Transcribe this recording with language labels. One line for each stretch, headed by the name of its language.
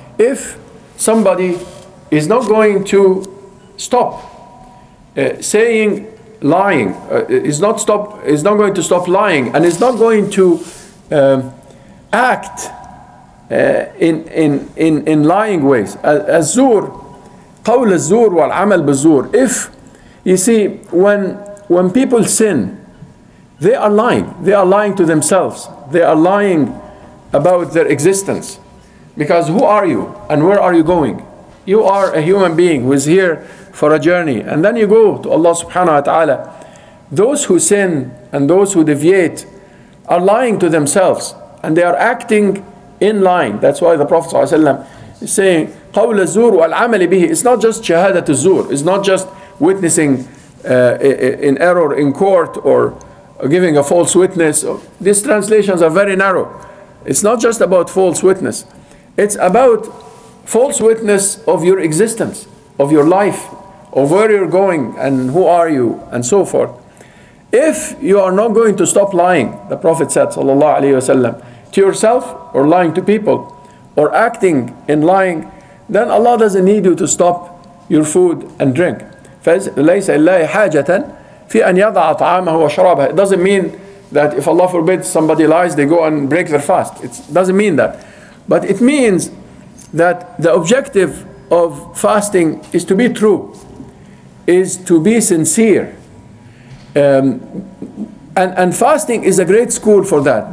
English: If somebody is not going to stop saying lying, is not going to stop lying, and is not going to act in lying ways.
Arabic: الزور قول الزور والعمل بالزور.
English: If you see when people sin, they are lying. They are lying to themselves. They are lying about their existence. Because who are you and where are you going? You are a human being who is here for a journey. And then you go to Allah subhanahu wa ta'ala. Those who sin and those who deviate are lying to themselves. And they are acting in line. That's why the Prophet sallallahu alayhi wa sallam is saying,
Arabic: قول الزور والعمل به.
English: It's not just
Arabic: شهادة الزور.
English: It's not just witnessing in error in court or giving a false witness. These translations are very narrow. It's not just about false witness. It's about false witness of your existence, of your life, of where you're going and who are you and so forth. If you are not going to stop lying, the Prophet said, sallallahu alayhi wa sallam, to yourself or lying to people or acting in lying, then Allah doesn't need you to stop your food and drink.
Arabic: فليس لله حاجة في أن يضع طعامه وشرابه.
English: It doesn't mean that if Allah forbids somebody lies, they go and break their fast. It doesn't mean that. But it means that the objective of fasting is to be true, is to be sincere. And fasting is a great school for that.